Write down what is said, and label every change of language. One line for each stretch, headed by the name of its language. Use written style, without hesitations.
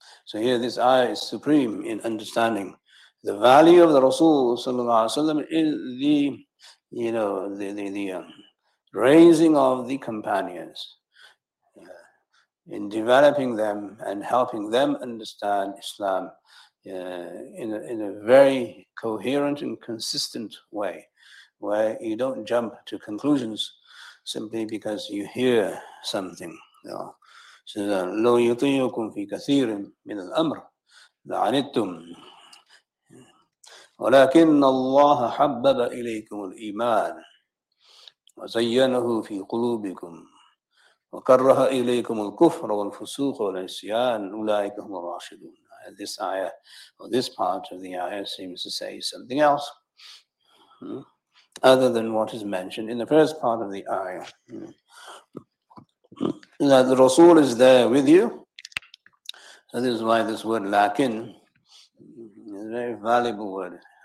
English: So here this ayah is supreme in understanding the value of the Rasul sallallahu alaihi wasallam in the, you know, the raising of the companions, in developing them and helping them understand Islam in a very coherent and consistent way, where you don't jump to conclusions simply because you hear something. You know. So the
Arabic: lo yutiyukum fi kathirin min al-amr la'anittum ولكن الله حبب إليكم الإيمان وزينه في قلوبكم وكره إليكم الكفر والفسوق والعصيان أولئك هم الراشدون.
English: This ayah, or this part of the ayah, seems to say something else, other than what is mentioned in the first part of the ayah. That the Rasul is there with you. So this is why this word lakin is a very valuable word.